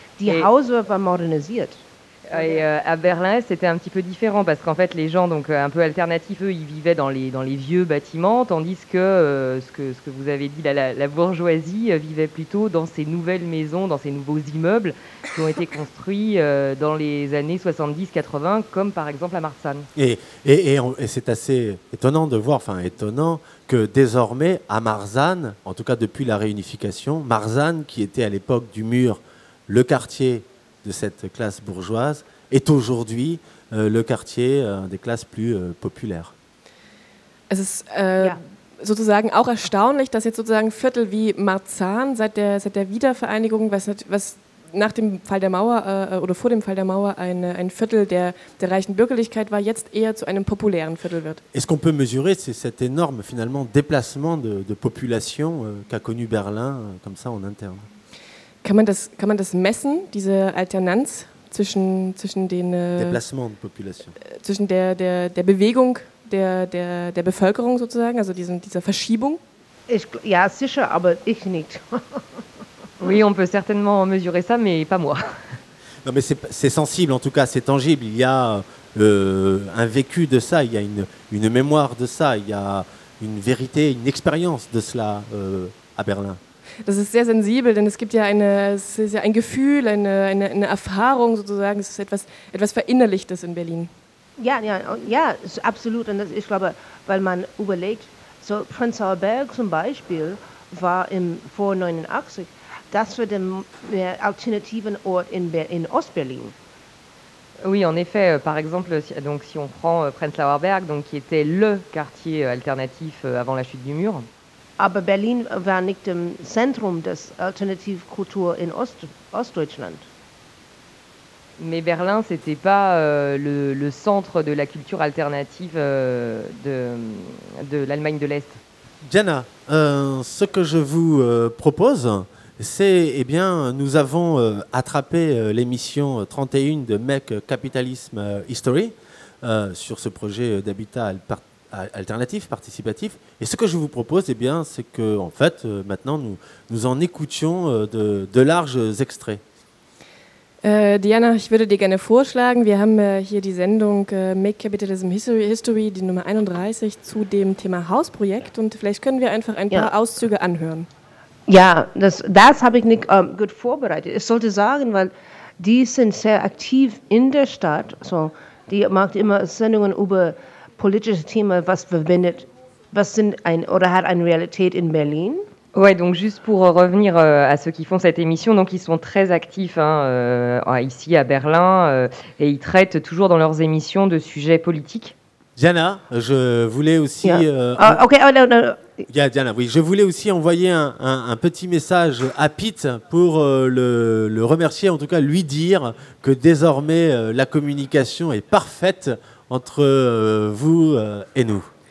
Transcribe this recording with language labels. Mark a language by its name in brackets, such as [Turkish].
[German] Die Hause war modernisiert. [French] Et à Berlin, c'était un petit peu différent parce qu'en fait, les gens donc un peu alternatifs, eux, ils vivaient dans les vieux bâtiments, tandis que ce que vous avez dit, la bourgeoisie vivait plutôt dans ces nouvelles maisons, dans ces nouveaux immeubles qui ont été construits dans les années 70-80, comme par exemple à Marzahn. Et c'est assez étonnant de voir, enfin étonnant, que désormais à Marzahn, en tout cas depuis la réunification, Marzahn, qui était à l'époque du mur, le quartier de cette classe bourgeoise, est aujourd'hui le quartier des classes plus populaires. [German] Es ist sozusagen auch erstaunlich, dass jetzt sozusagen Viertel wie Marzahn seit der Wiedervereinigung, was nach dem Fall der Mauer oder vor dem Fall der Mauer ein Viertel der reichen Bürgerlichkeit war, jetzt eher zu einem populären Viertel wird. [French] Est-ce qu'on peut mesurer cet énorme finalement déplacement de population qu'a connu Berlin comme ça en interne? [German] Kann man das messen, diese Alternanz zwischen den [French] Déplacement de population. [German] Zwischen der Bewegung der Bevölkerung sozusagen, also dieser Verschiebung? Ja, sicher, aber ich nicht. [French] Oui, on peut certainement mesurer ça, mais pas moi. Non, mais c'est sensible, en tout cas, c'est tangible. Il y a un vécu de ça, il y a une mémoire de ça, il y a une vérité, une expérience de cela à Berlin. [German] Das ist sehr sensibel, denn es gibt ja ein Gefühl, eine Erfahrung sozusagen. Es ist etwas Verinnerlichtes in Berlin. Ja, absolut. Und ich glaube, weil man überlegt, so Prenzlauer Berg zum Beispiel war vor 89, das war der alternative Ort in Ost-Berlin. [French] Oui, en effet. Par exemple, donc si on prend Prenzlauer Berg, donc qui était le quartier alternatif avant la chute du mur. [German] Aber Berlin war nicht im Zentrum des Alternativkultur in Ostdeutschland. [French] Mais Berlin, c'était pas le centre de la culture alternative de l'Allemagne de l'Est. Diana, ce que je vous propose, c'est, eh bien, nous avons attrapé l'émission 31 de MEC Capitalism History sur ce projet d'habitat alternatif, participatif. Et ce que je vous propose, eh bien, c'est que, en fait, maintenant, nous en écoutions de larges extraits. [German] Diana, ich würde dir gerne vorschlagen, wir haben hier die Sendung Make Capitalism History, die Nummer 31, zu dem Thema Hausprojekt. Und vielleicht können wir einfach ein paar Auszüge anhören. Ja, das habe ich nicht gut vorbereitet. Ich sollte sagen, weil die sind sehr aktiv in der Stadt. So, die macht immer Sendungen über politische Themen, was verbindet, was sind ein oder hat eine Realität in Berlin. [French] Ouais, donc juste pour revenir à ceux qui font cette émission, donc ils sont très actifs hein, ici à Berlin et ils traitent toujours dans leurs émissions de sujets politiques. Diana, je voulais aussi. Diana, oui, je voulais aussi envoyer un petit message à Pete pour le remercier, en tout cas lui dire que désormais la communication est parfaite entre vous et nous.